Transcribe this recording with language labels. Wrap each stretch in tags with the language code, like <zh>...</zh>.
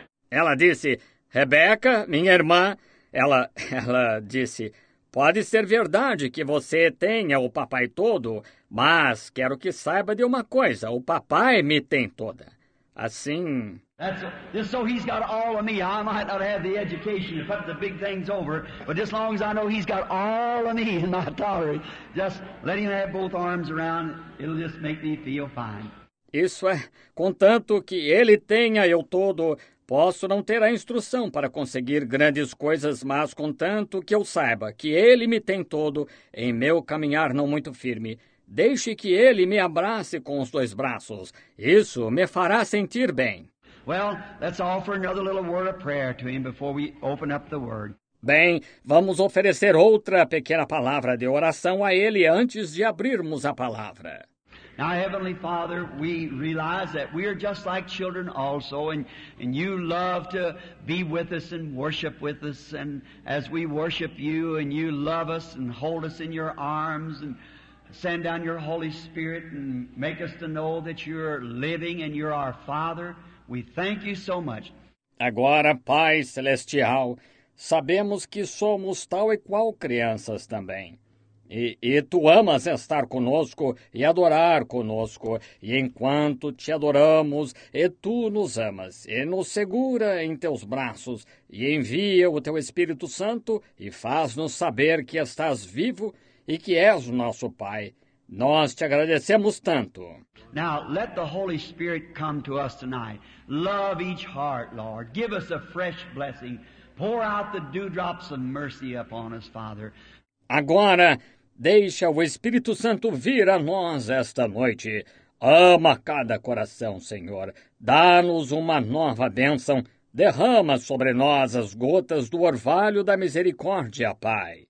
<pt>Ela disse, Rebecca, minha irmã, ela disse, pode ser verdade que você tenha o papai todo, mas quero que saiba de uma coisa, o papai me tem toda. Assim...</pt> <en>Just so he's got all of me, I might not have the education to put the big things over, but as long as I know he's got all of me in my tolerance, just let him have both arms around, it'll just make me feel fine.</en> <pt>Isso é, contanto que ele tenha eu todo... Posso não ter a instrução para conseguir grandes coisas, mas contanto que eu saiba que ele me tem todo em meu caminhar não muito firme. Deixe que ele me abrace com os dois braços. Isso me fará sentir bem.</pt> <en>Well, let's offer another little word of prayer to him before we open up the word.</en> <pt>Bem, vamos oferecer outra pequena palavra de oração a ele antes de abrirmos a palavra.</pt> <en>Now, Heavenly Father, we realize that we are just like children also, and you love to be with us and worship with us, and as we worship you, and you love us and hold us in your arms, and send down your Holy Spirit, and make us to know that you're living and you're our Father. We thank you so much.</en> <pt>Agora, Pai Celestial, sabemos que somos tal e qual crianças também. E tu amas estar conosco e adorar conosco, e enquanto te adoramos, e tu nos amas, e nos segura em teus braços, e envia o teu Espírito Santo, e faz-nos saber que estás vivo e que és o nosso Pai. Nós te agradecemos tanto.</pt> <en>Now, let the Holy Spirit come to us tonight. Love each heart, Lord. Give us a fresh blessing. Pour out the dewdrops of mercy upon us, Father.</en> <pt>Agora, deixa o Espírito Santo vir a nós esta noite. Ama cada coração, Senhor. Dá-nos uma nova bênção. Derrama sobre nós as gotas do orvalho da misericórdia, Pai.</pt>